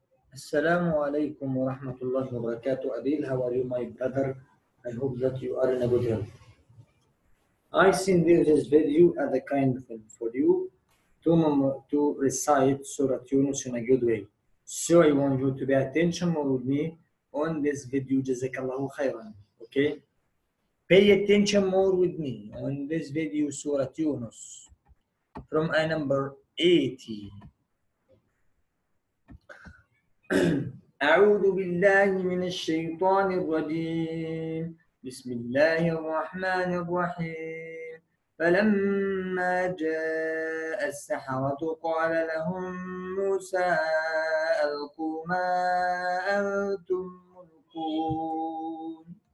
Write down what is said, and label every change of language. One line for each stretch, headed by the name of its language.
Arabic: السلام عليكم ورحمة الله وبركاته.
English: أديل، how are you my brother? I hope that you are in a good health. I send this video as a kind of for you to recite Surah Yunus in a good way. So I want you to pay attention with me on this video. Jazakallahu khairan. Okay? Pay attention more with me on this video, Surah Yunus, from a number 80.
Arabic: أعوذ بالله من الشيطان الرجيم بسم الله الرحمن الرحيم فلما جاء السحرة قال لهم موسى ألقوا ما أنتم ملقون